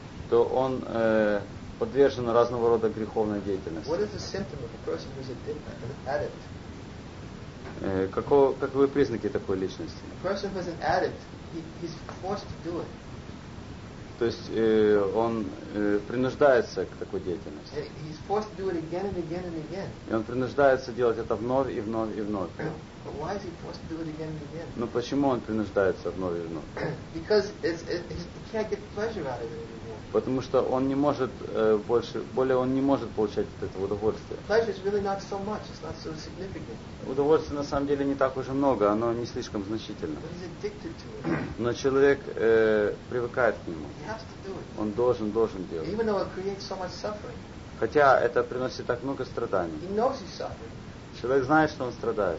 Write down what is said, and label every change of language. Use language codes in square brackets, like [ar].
[ru] То он подвержен разного рода греховной деятельности. [en] What is the symptom of a person who's an addict? [ru] Каковы признаки такой личности? [en] A person who's an addict, he's forced to do it. [ru] То есть он принуждается к такой деятельности. [en] And he's forced to do it again and again and again. [ru] И он принуждается делать это вновь и вновь и вновь. [en] But why is he forced to do it again and again? [ru] Ну почему он принуждается вновь и вновь? [en] Because he can't get pleasure out of it anymore. [ru] Потому что он не может он не может получать от этого удовольствия. [en] Pleasure is really not so much, it's not so significant. [ru] Удовольствие на самом деле не так уж и много, оно не слишком значительно. [en] But he's addicted to it. [ru] Но человек привыкает к нему. [en] He has to do it. [ru] Он должен делать. [en] Even though it creates so much suffering. [ru] Хотя это приносит так много страданий. [en] He knows he's suffering. [ru] Человек знает, что он страдает.